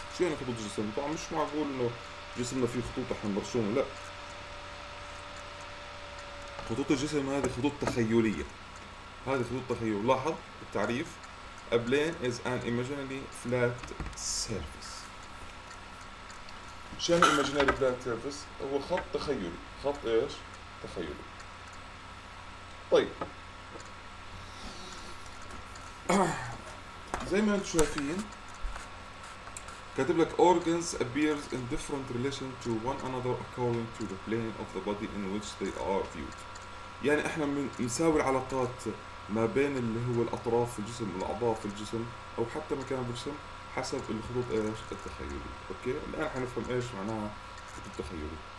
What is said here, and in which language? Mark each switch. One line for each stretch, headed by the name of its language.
Arabic: شو يعني خطوط الجسم؟ طبعا مش معقول انه جسمنا فيه خطوط احنا مرسومه، لا خطوط الجسم هذه خطوط تخيليه، هذه خطوط تخيل. لاحظ التعريف
English: a plane is an imaginary flat surface.
Arabic: شو يعني
English: imaginary flat surface؟
Arabic: هو خط تخيلي، خط ايش؟ تخيلي. طيب زي ما انتم شايفين كاتب لك
English: organs appears in different relation to one another according to the plane of the body in which they are viewed.
Arabic: يعني احنا بنساوي العلاقات ما بين اللي هو الاطراف في الجسم والاعضاء في الجسم او حتى مكان في الجسم حسب الخطوط ايش؟ التخيلي. اوكي الان حنفهم ايش معناها خطوط تخيلي.